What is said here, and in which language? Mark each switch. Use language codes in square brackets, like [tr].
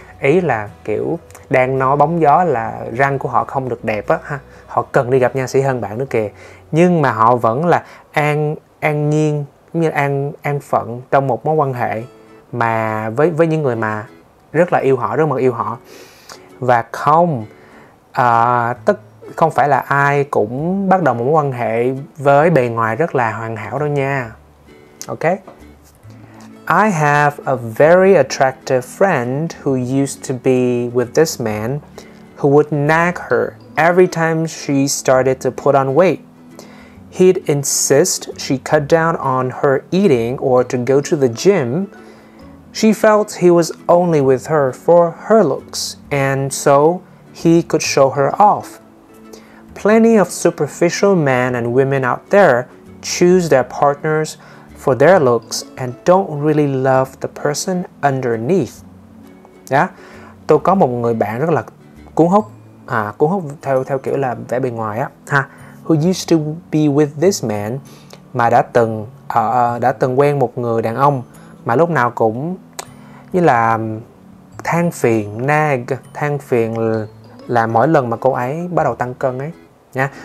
[vi] Ý là kiểu đang nói bóng gió là răng của họ không được đẹp á ha, họ cần đi gặp nha sĩ hơn bạn nữa kìa, nhưng mà họ vẫn là an nhiên cũng như an phận trong một mối quan hệ mà với những người mà rất là yêu họ, rất là yêu họ. Và không, tức không phải là ai cũng bắt đầu một mối quan hệ với bề ngoài rất là hoàn hảo đâu nha. Ok. [en] I have a very attractive friend who used to be with this man who would nag her every time she started to put on weight. He'd insist she cut down on her eating or to go to the gym. She felt he was only with her for her looks, and so he could show her off. Plenty of superficial men and women out there choose their partners for their looks and don't really love the person underneath. Yeah. [vi] Tôi có một người bạn rất là cuốn hút, cuốn hút theo kiểu là vẻ bề ngoài á, ha. [en] Who used to be with this man, [vi] mà đã từng quen một người đàn ông mà lúc nào cũng như là than phiền, nag, than phiền là mỗi lần mà cô ấy bắt đầu tăng cân ấy, nha.